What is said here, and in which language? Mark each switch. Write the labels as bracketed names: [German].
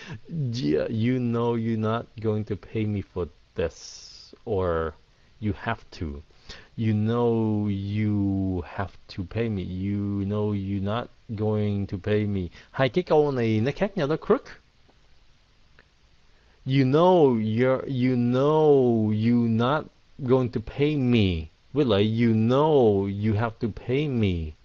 [English] You know you're not going to pay me for this, or you have to. You know you have to pay me. You know you're not going to pay me. [Vietnamese] Hai cái câu này nó khác nhau, nó crook. [English] You know you're not going to pay me. [Vietnamese] Với lại [English] you know you have to pay me.